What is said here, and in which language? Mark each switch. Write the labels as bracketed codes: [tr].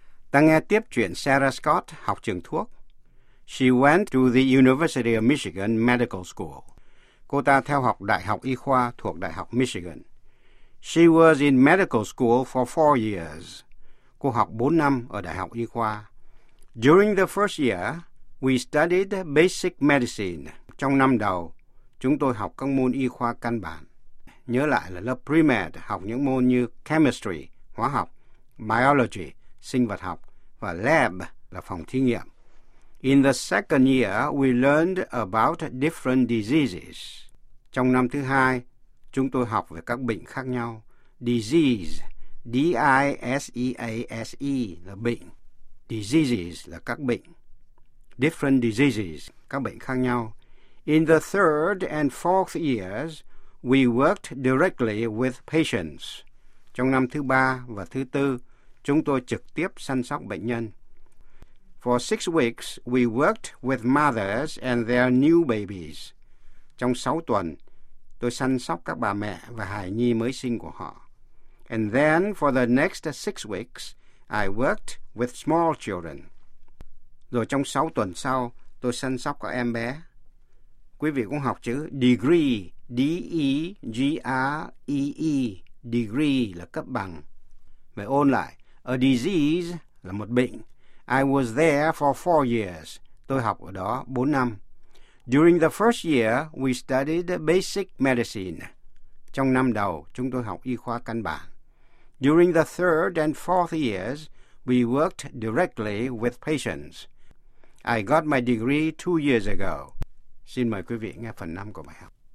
[vi] Ta nghe tiếp chuyện Sarah Scott học trường thuốc. [en] She went to the University of Michigan Medical School. [vi] Cô ta theo học Đại học Y khoa thuộc Đại học Michigan. [en] She was in medical school for 4 years. [vi] Cô học 4 năm ở Đại học Y khoa. [en] During the first year, we studied basic medicine. [vi] Trong năm đầu, chúng tôi học các môn y khoa căn bản. Nhớ lại là lớp pre-med học những môn như chemistry, hóa học, biology, sinh vật học, và lab là phòng thí nghiệm. [en] In the second year, we learned about different diseases. [vi] Trong năm thứ hai, chúng tôi học về các bệnh khác nhau. Disease, D-I-S-E-A-S-E, là bệnh. Diseases là các bệnh. [en] Different diseases, [vi] các bệnh khác nhau. [en] In the third and fourth years, we worked directly with patients. [vi] Trong năm thứ ba và thứ tư, chúng tôi trực tiếp săn sóc bệnh nhân. [en] For 6 weeks, we worked with mothers and their new babies. [vi] Trong 6 tuần, tôi săn sóc các bà mẹ và hài nhi mới sinh của họ. [en] And then, for the next 6 weeks, I worked with small children. [vi] Rồi trong 6 tuần sau, tôi săn sóc các em bé. Quý vị cũng học chữ degree, D-E-G-R-E-E, degree là cấp bằng. Vậy ôn lại, a disease là một bệnh. [en] I was there for 4 years. [vi] Tôi học ở đó 4 năm. [en] During the first year, we studied basic medicine. [vi] Trong năm đầu, chúng tôi học y khoa căn bản. [en] During the third and fourth years, we worked directly with patients. I got my degree 2 years ago. [vi] Xin mời quý vị nghe phần 5 của bài học.